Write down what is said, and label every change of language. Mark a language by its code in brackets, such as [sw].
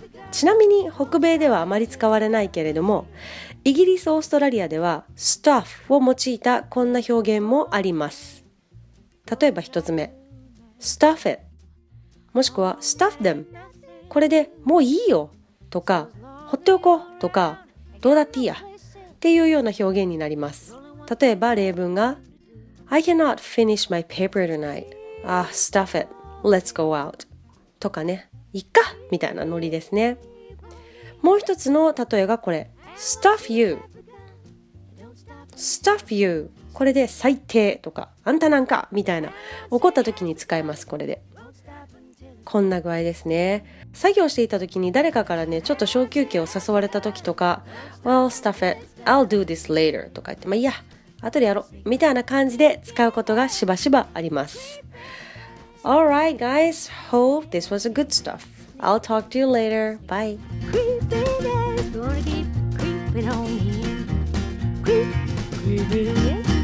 [ja] ちなみに北米ではあまり使われないけれども、イギリス、オーストラリアでは Stuff を用いたこんな表現もあります。例えば一つ目 Stuff it もしくは Stuff them、これでもういいよとか、ほっておこうとか、どうだっていいやっていうような表現になります。 [en] 例えば例文が I cannot finish my paper tonight. Ah, stuff it. Let's go out. [ja] とかね、いっかみたいなノリですね。もう一つの例えがこれ Stuff you Stuff you これで最低とか、あんたなんかみたいな、怒った時に使えます。これでこんな具合ですね。作業していた時に誰かからね、ちょっと小休憩を誘われた時とか、 [en] Well, stuff it. I'll do this later. [ja] とか言って、まあいいや、後でやろうみたいな感じで使うことがしばしばあります。 [en] Alright, guys. Hope this was a good stuff. I'll talk to you later. Bye. Creepin' on me. Creepin' on me. Creepin' on me.